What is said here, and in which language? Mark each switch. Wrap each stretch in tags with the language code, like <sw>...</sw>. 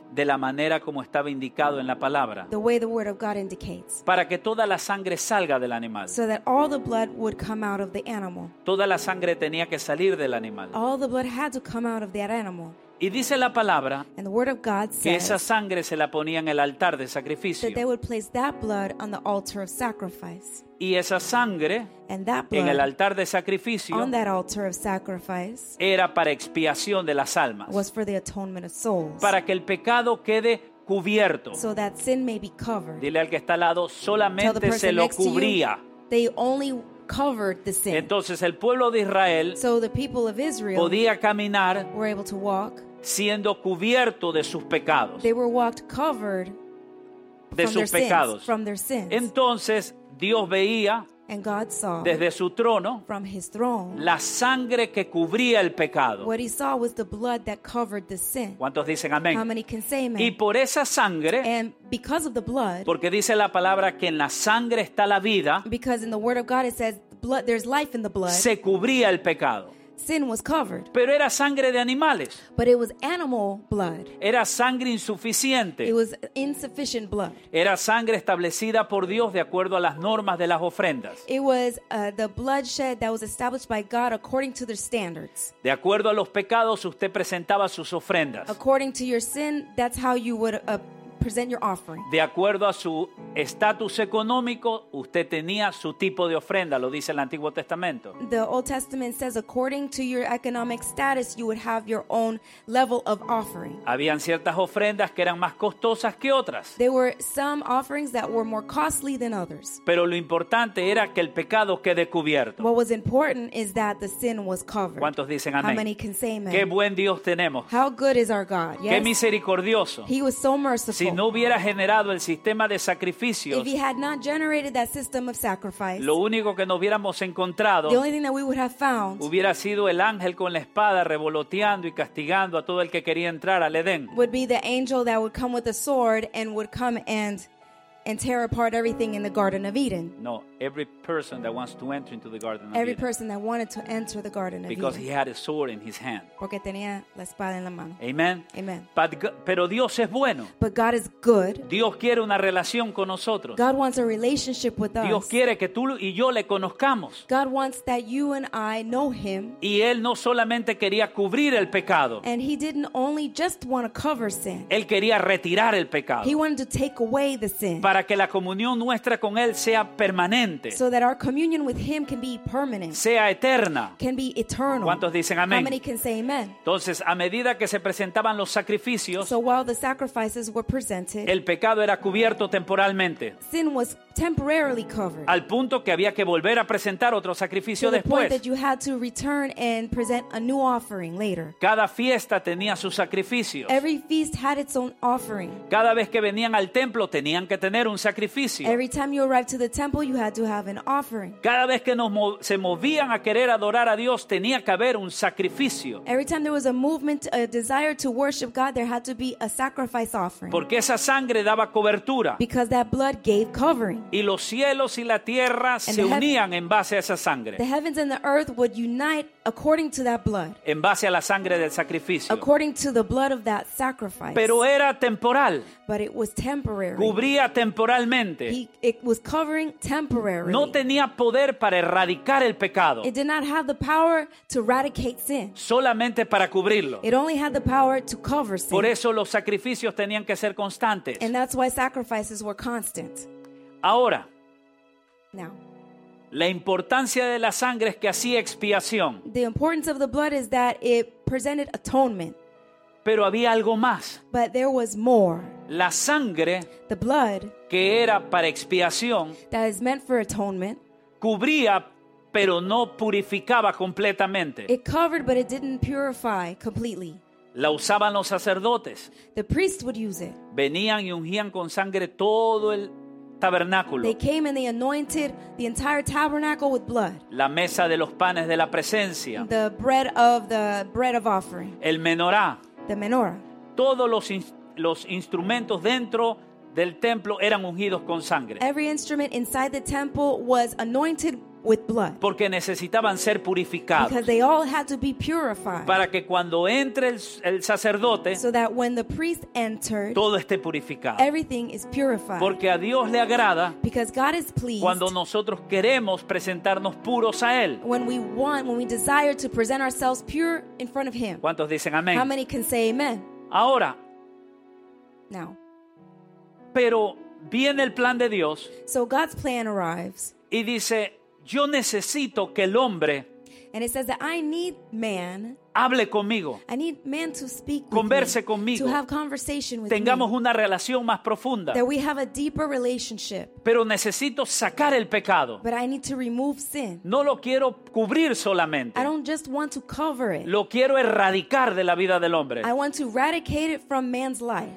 <es>De la manera como estaba indicado en la palabra.</es> <en>The way the word of God indicates.</en> <es>Para que toda la sangre salga del animal.</es> <en>So that all the blood would come out of the animal.</en> <es>Toda la sangre tenía que salir del animal.</es> <en>All the blood had to come out of that animal.</en> <es>Y dice la palabra,</es> <en>and the word of God says,</en> <es>que esa sangre se la ponía en el altar de sacrificio.</es> <en>That they would place that blood on the altar of sacrifice.</en> <es>Y esa sangre,</es> <en>and that blood,</en> <es>en el altar de sacrificio,</es> <en>on that altar of sacrifice,</en> <es>era para expiación de las almas.</es> <en>Was for the atonement of souls.</en> <es>Para que el pecado quede cubierto.</es> <en>So that sin may be covered.</en> <es>Dile al que está al lado, solamente se lo cubría.</es> <en>You, they only covered the sin.</en> <es>Entonces el pueblo de Israel,</es> <en>so the people of Israel,</en> <es>podía caminar,</es> <en>were able to walk,</en> <es>siendo cubierto de sus pecados.</es> <en>They were walked covered</en> <es>de sus pecados.</es> <en>Sins, from their sins.</en> <es>Entonces Dios veía,</es> <en>and God saw,</en> <es>desde su trono,</es> <en>from his throne,</en> <es>la sangre que cubría el pecado.</es> <en>What he saw was the blood that covered the sin.</en> <es>¿Cuántos dicen amén?</es> <en>How many can say amen?</en> <es>Y por esa sangre,</es> <en>and because of the blood,</en> <es>porque dice la palabra que en la sangre está la vida,</es> <en>because in the word of God it says blood, there's life in the blood,</en> <es>se cubría el pecado.</es> <en>Sin was covered.</en> <es>Pero era sangre de animales.</es> <en>But it was animal blood.</en> <es>Era sangre insuficiente.</es> <en>It was insufficient blood.</en> <es>Era sangre establecida por Dios de acuerdo a las normas de las ofrendas.</es> <en>It was the bloodshed that was established by God according to their standards.</en> <es>De acuerdo a los pecados, usted presentaba sus ofrendas.</es> <en>According to your sin, that's how you would present your offering.</en> <es>De acuerdo a su estatus económico, usted tenía su tipo de ofrenda, lo dice el Antiguo Testamento.</es> <en>The Old Testament says according to your economic status you would have your own level of offering.</en> <es>Habían ciertas ofrendas que eran más costosas que otras.</es> <en>There were some offerings that were more costly than others.</en> <es>Pero lo importante era que el pecado quede cubierto.</es> <en>What was important is that the sin was covered.</en> <es>¿Cuántos dicen amén?</es> <en>How many can say amen?</en> <es>Qué buen Dios tenemos.</es> <en>How good is our God? Yes.</en> <es>Qué misericordioso.</es> <en>He was so merciful.</en> <es>Si no hubiera generado el sistema de sacrificios,</es> <en>if he had not generated that system of sacrifice,</en> <es>lo único que nos hubiéramos encontrado,</es> <en>the only thing that we would have found,</en> <es>hubiera sido el ángel con la espada revoloteando y castigando a todo el que quería entrar al Edén.</es> <en>Would be the angel that would come with a sword and would come and tear apart everything in the Garden of Eden. No, every person that wants to enter into the Garden of every Every person that wanted to enter the Garden of because Eden. Because he had a sword in his hand.</en> <es>Porque tenía la espada en la mano.</es> <en>Amen. Amen.</en> <es>Pero Dios es bueno.</es> <en>But God is good.</en> <es>Dios quiere una relación con nosotros.</es> <en>God wants a relationship with</en> <es>Dios</es> <en>us.</en> <es>Dios quiere que tú y yo le conozcamos.</es> <en>God wants that you and I know him.</en> <es>Y él no solamente quería cubrir el pecado.</es> <en>And he didn't only just want to cover sin.</en> <es>Él quería retirar el pecado.</es> <en>He wanted to take away the sin.</en> <es>Para que la comunión nuestra con él sea permanente.</es> <en>So that our communion with him can be permanent.</en> <es>Sea eterna.</es> <en>Can be eternal.</en> <es>¿Cuántos dicen amén?</es> <en>How many can say amen?</en> <es>Entonces, a medida que se presentaban los sacrificios,</es> <en>so while the sacrifices were presented,</en> <es>el pecado era cubierto temporalmente.</es> <en>Sin was temporarily covered.</en> <es>Al punto que había que volver a presentar otro sacrificio</es> <en>to the</en> <es>después.</es> <en>Point that you had to return and present a new offering later.</en> <es>Cada fiesta tenía sus sacrificios.</es> <en>Every feast had its own offering.</en> <es>Cada vez que venían al templo tenían que tener un sacrificio.</es> <en>Every time you arrived to the temple you had to have an offering.</en> <es>Cada vez que se movían a querer adorar a Dios tenía que haber un sacrificio.</es> <en>Every time there was a movement, a desire to worship God, there had to be a sacrifice offering.</en> <es>Porque esa sangre daba cobertura.</es> <en>Because that blood gave cover.</en> <es>Y los cielos y la tierra se unían en base a esa sangre.</es> <en>The heavens and the earth would unite according to that blood.</en> <es>En base a la sangre del sacrificio.</es> <en>According to the blood of that sacrifice.</en> <es>Pero era temporal.</es> <en>But it was temporary.</en> <es>Cubría temporalmente.</es> <en>It was covering temporarily.</en> <es>No tenía poder para erradicar el pecado.</es> <en>It did not have the power to eradicate sin.</en> <es>Solamente para cubrirlo.</es> <en>It only had the power to cover sin.</en> <es>Por eso los sacrificios tenían que ser constantes.</es> <en>And that's why sacrifices were constant.</en> <es>Ahora,</es> <en>now,</en> <es>la importancia de la sangre es que hacía expiación.</es> <en>The importance of the blood is that it presented atonement.</en> <es>Pero había algo más.</es> <en>But there was more.</en> <es>La sangre,</es> <en>the blood,</en> <es>que era para expiación,</es> <en>that is meant for atonement,</en> <es>cubría pero no purificaba completamente.</es> <en>It covered but it didn't purify completely.</en> <es>La usaban los sacerdotes.</es> <en>The priests would use it.</en> <es>Venían y ungían con sangre todo el tabernáculo.</es> <en>They came and they anointed the entire tabernacle with blood.</en> <es>La mesa de los panes de la presencia.</es> <en>The bread of the bread of offering.</en> <es>El menorá.</es> <en>The menorah.</en> <es>Todos los instrumentos dentro del templo eran ungidos con sangre.</es> <en>Every instrument inside the temple was anointed with blood.</en> <es>Porque necesitaban ser purificados.</es> <en>Because they all had to be purified.</en> <es>Para que cuando entre el sacerdote,</es> <en>so that when the priest entered,</en> <es>todo esté purificado.</es> <en>Everything is purified.</en> <es>Porque a Dios le agrada,</es> <en>because God is pleased,</en> <es>cuando nosotros queremos presentarnos puros a Él.</es> <en>When we desire to present ourselves pure in front of Him.</en> <es>¿Cuántos dicen amén?</es> <en>How many can say amen?</en> <es>Ahora.</es> <en>Now.</en> <es>Pero viene el plan de Dios.</es> <en>So God's plan arrives.</en> <es>Y dice, yo necesito que el hombre,</es> <en>and it says that I need man,</en> <es>hable conmigo.</es> <en>I need man to speak with, converse me,</en> <es>conmigo.</es> <en>To have conversation with,</en> <es>tengamos</es> <en>me,</en> <es>una relación más profunda.</es> <en>That we have a deeper relationship.</en> <es>Pero necesito sacar el pecado.</es> <en>But I need to remove sin.</en> <es>No lo quiero cubrir solamente.</es> <en>I don't just want to cover it.</en> <es>Lo quiero erradicar de la vida del hombre.</es> <en>I want to eradicate it from man's life.</en>